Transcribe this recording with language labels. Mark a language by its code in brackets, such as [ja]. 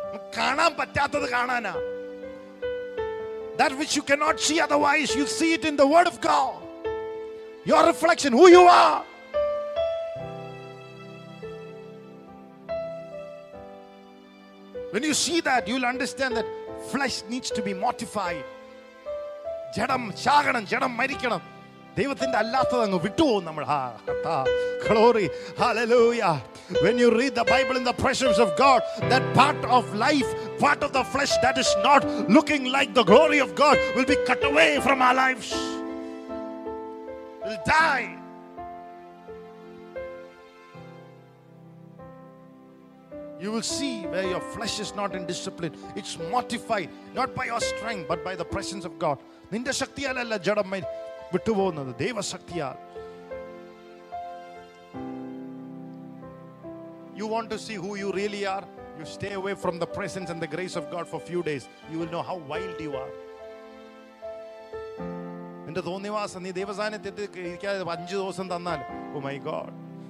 [ml] Kaanam pattathathu kaanana. [en] That which you cannot see otherwise, you see it in the word of God. Your reflection, who you are. When you see that, you'll understand that flesh needs to be mortified. [ml] Jadam chaganam, jadam marikanam. ദൈവത്തിന്റെ അല്ലാത്തത് അങ്ങ് വിട്ടുപോകും നമ്മൾ. [en] Glory, hallelujah. When you read the Bible in the presence of God, that part of life, part of the flesh that is not looking like the glory of God will be cut away from our lives. Will die. You will see where your flesh is not in discipline. It's mortified, not by your strength, but by the presence of God. [ml] നിന്റെ ശക്തിയാലല്ല ജഡം വിട്ടുപോകുന്നത്, ദൈവശക്തിയാൽ. [en] You want to see who you really are, you stay away from the presence and the grace of God for a few days. You will know how wild you are. [ml] എന്റെ തോന്നിവാസം, നീ ദൈവസാന്നിധ്യത്തിൽ ഇരിക്കാതെ 5 ദിവസം തന്നാൽ, [en] Oh my God.